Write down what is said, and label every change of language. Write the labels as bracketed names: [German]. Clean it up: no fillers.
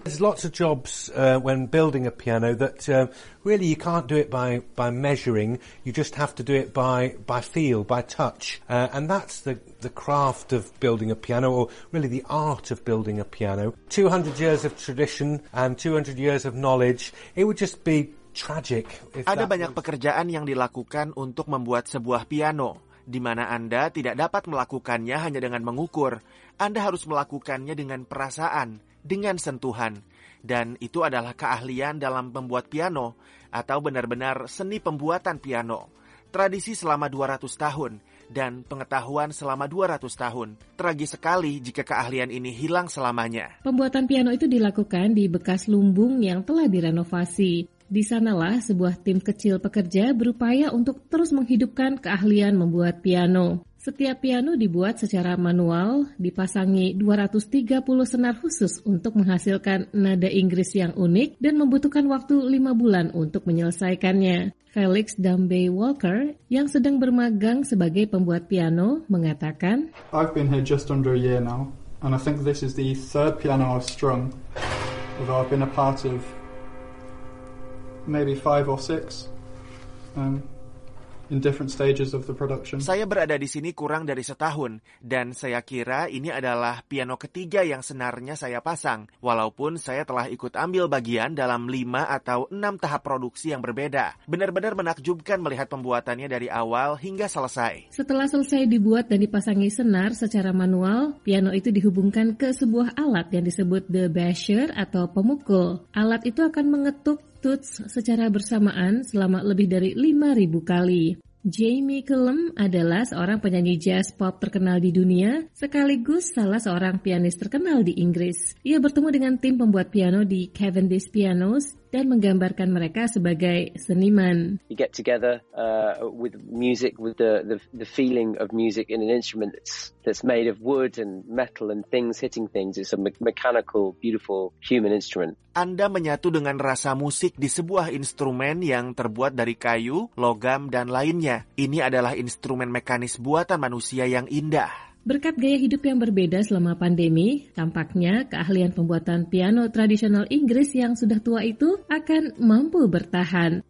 [English] There's lots of jobs when building a piano that really you can't do it by measuring. You just have to do it by feel, by touch, and that's the craft of building a piano, or really the art of building a piano. 200 years of tradition and 200 years of knowledge. It would just be tragic. [Indonesian] Ada banyak pekerjaan yang dilakukan untuk membuat sebuah piano, di mana Anda tidak dapat melakukannya hanya dengan mengukur. Anda harus melakukannya dengan perasaan, dengan sentuhan. Dan itu adalah keahlian dalam membuat piano, atau benar-benar seni pembuatan piano. Tradisi selama 200 tahun, dan pengetahuan selama 200 tahun. Tragis sekali jika keahlian ini hilang selamanya. Pembuatan piano itu dilakukan di bekas lumbung yang telah direnovasi. Di sanalah sebuah tim kecil pekerja berupaya untuk terus menghidupkan keahlian membuat piano. Setiap piano dibuat secara manual, dipasangi 230 senar khusus untuk menghasilkan nada Inggris yang unik dan membutuhkan waktu 5 bulan untuk menyelesaikannya. Felix Dambay Walker, yang sedang bermagang sebagai pembuat piano, mengatakan, [English] I've been here just under a year now, and I think this is the third piano I've strung, although I've been a part of maybe 5 or 6 in different stages of the production. [Indonesian] Saya berada di sini kurang dari setahun, dan saya kira ini adalah piano ketiga yang senarnya saya pasang, walaupun saya telah ikut ambil bagian dalam 5 atau 6 tahap produksi yang berbeda. Benar-benar menakjubkan melihat pembuatannya dari awal hingga selesai. Setelah selesai dibuat dan dipasangi senar secara manual, piano itu dihubungkan ke sebuah alat yang disebut the basher atau pemukul. Alat itu akan mengetuk tuts secara bersamaan selama lebih dari 5.000 kali. Jamie Cullum adalah seorang penyanyi jazz pop terkenal di dunia, sekaligus salah seorang pianis terkenal di Inggris. Ia bertemu dengan tim pembuat piano di Cavendish Pianos dan menggambarkan mereka sebagai seniman. [English] You get together with music, with the feeling of music in an instrument that's made of wood and metal and things hitting things. It's a mechanical, beautiful human instrument. [Indonesian] Anda menyatu dengan rasa musik di sebuah instrumen yang terbuat dari kayu, logam, dan lainnya. Ini adalah instrumen mekanis buatan manusia yang indah. Berkat gaya hidup yang berbeda selama pandemi, tampaknya keahlian pembuatan piano tradisional Inggris yang sudah tua itu akan mampu bertahan.